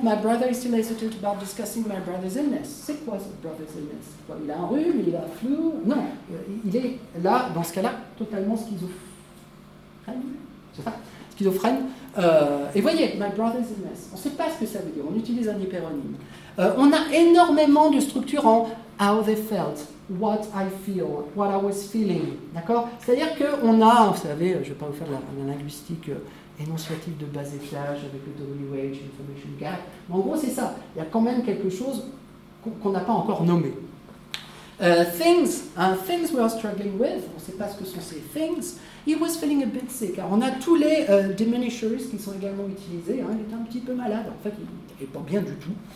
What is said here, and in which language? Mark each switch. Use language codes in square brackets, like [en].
[en] My brother is still hesitant about discussing my brother's illness. [fr] C'est quoi ce brother's illness? Il a un rhume, il a un flou. Non, il est là, dans ce cas-là, totalement schizophrène. C'est ça? Schizophrène. Et voyez, [en] my brother's illness. [fr] On ne sait pas ce que ça veut dire. On utilise un hyperonyme. On a énormément de structures en [en] how they felt. What I feel, what I was feeling, [fr] d'accord. C'est-à-dire qu'on a, vous savez, je ne vais pas vous faire la linguistique énonciative de bas étage avec le WH, information gap, mais en gros c'est ça, il y a quand même quelque chose qu'on n'a pas encore nommé. [en] Things we are struggling with, [fr] on ne sait pas ce que sont ces things, [en] he was feeling a bit sick, [fr] alors on a tous les diminishers qui sont également utilisés, hein. Il est un petit peu malade, en fait il n'est pas bien du tout.